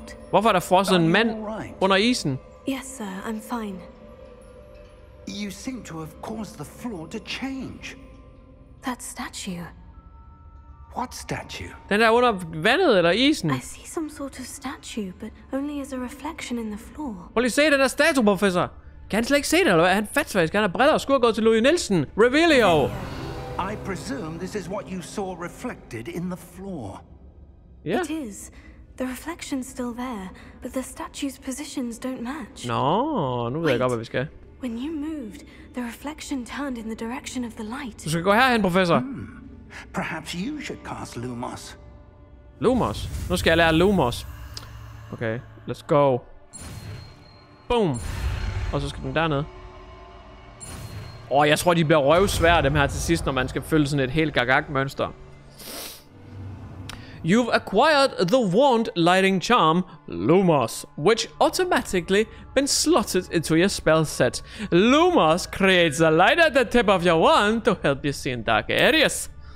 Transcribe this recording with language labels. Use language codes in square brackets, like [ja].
[da] Hvorfor er der frosset en mand under isen? [en] Yes, sir, I'm fine. You seem to have caused the floor to change. That statue. What statue? [da] Den der under vandet eller isen? [en] I see some sort of statue, but only as a reflection in the floor. [da] Prøv lige at se den der statue, professor. Kan han slet ikke se den, eller hvad? Han fatter faktisk, han har briller og skulle have gået til Louis Nielsen. Revealio! [en] I presume this is what you saw reflected in the floor. Yeah. It is. The reflection's still there, but the statue's positions don't match. [da] No, nu ved jeg godt, hvad vi skal. [en] When you moved, the reflection turned in the direction of the light. [da] Du skal gå herhen, professor. [en] Perhaps you should cast Lumos. [da] Lumos? Nu skal jeg lære Lumos. [en] Okay, let's go. [da] Boom. Og så skal den dernede. Jeg tror, de bliver røvsvære, dem her til sidst, når man skal følge sådan et helt gagag-mønster. [en] You've acquired the wand lighting charm, Lumos, which automatically been slotted into your spell set. Lumos creates a light at the tip of your wand to help you see in dark areas.